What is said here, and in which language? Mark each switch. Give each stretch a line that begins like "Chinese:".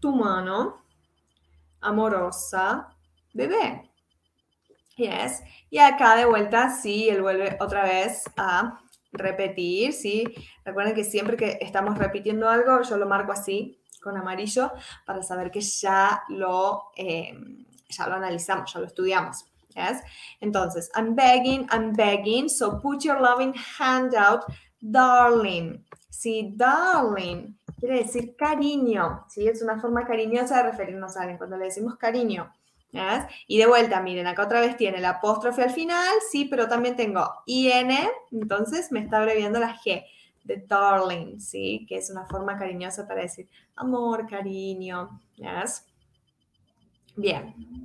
Spanish: Tu mano amorosa, bebé. Yes. Y acá de vuelta, sí, él vuelve otra vez a repetir, ¿sí? Recuerden que siempre que estamos repitiendo algo, yo lo marco así, con amarillo, para saber que ya lo analizamos, ya lo estudiamos.
English: Yes. Entonces, I'm begging, so put your loving hand out, darling.
Spanish: Sí, darling, quiere decir cariño, ¿sí? Es una forma cariñosa de referirnos a alguien cuando le decimos cariño. ¿Ves? Y de vuelta, miren, acá otra vez tiene el apóstrofe al final, sí, pero también tengo IN, entonces me está abreviando la G, de darling, ¿sí? Que es una forma cariñosa para decir amor, cariño, ¿ves? Bien.